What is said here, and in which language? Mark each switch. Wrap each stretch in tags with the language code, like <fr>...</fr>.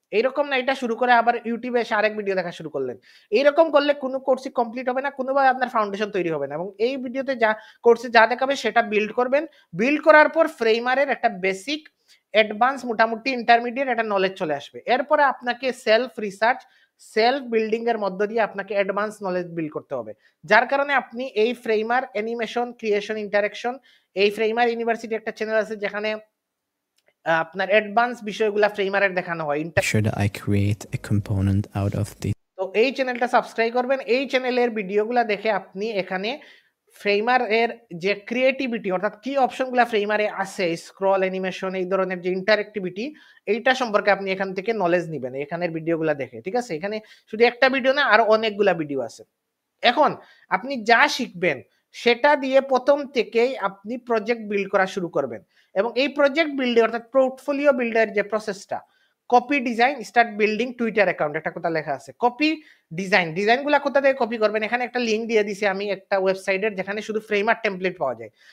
<bn>এইরকম না এটা শুরু করে আবার ইউটিউবে এসে আরেক ভিডিও দেখা শুরু করলেন, এইরকম করলে কোনো কোর্সই কমপ্লিট হবে না, কোনোভাবে আপনার ফাউন্ডেশন তৈরি হবে না। এবং এই ভিডিওতে যা কোর্সে যা দেখাবে সেটা বিল্ড করবেন, বিল্ড করার পর ফ্রেমারের একটা বেসিক, অ্যাডভান্স, মোটামুটি ইন্টারমিডিয়েট একটা নলেজ চলে আসবে। এরপরে আপনাকে সেলফ রিসার্চ, সেলফ বিল্ডিং এর মধ্য দিয়ে আপনাকে অ্যাডভান্স নলেজ বিল্ড করতে হবে, যার কারণে আপনি এই ফ্রেমার অ্যানিমেশন ক্রিয়েশন ইন্টারাকশন, এই ফ্রেমার ইউনিভার্সিটি একটা চ্যানেল আছে যেখানে আপনার অ্যাডভান্স বিষয়গুলো ফ্রেমারের দেখানো হয়।</bn> <en>Should I create a component out of this?</en> <bn>তো এই চ্যানেলটা সাবস্ক্রাইব করবেন, এই চ্যানেলের ভিডিওগুলো দেখে আপনি এখানে ফ্রেমারের যে ক্রিয়েটিভিটি, অর্থাৎ কি অপশনগুলো ফ্রেমারে আছে, স্ক্রল অ্যানিমেশন, এই ধরনের যে ইন্টারঅ্যাক্টিভিটি, এইটা সম্পর্কে আপনি এখান থেকে নলেজ নেবেন এখানের ভিডিওগুলো দেখে, ঠিক আছে? এখানে শুধু একটা ভিডিও না, আরো অনেকগুলো ভিডিও আছে। এখন আপনি যা শিখবেন সেটা দিয়ে প্রথম থেকেই আপনি প্রজেক্ট বিল্ড করা শুরু করবেন, এবং এই প্রজেক্ট বিল্ডিং, অর্থাৎ পোর্টফোলিও বিল্ডার যে প্রসেসটা, copy design start building Twitter account, একটা কথা লেখা আছে কপি ডিজাইন, ডিজাইনগুলো কোথা থেকে কপি করবেন, এখানে একটা লিঙ্ক দিয়ে দিছি আমি একটা ওয়েবসাইটের যেখানে শুধু ফ্রেমার টেমপ্লেট পাওয়া যায়।</bn>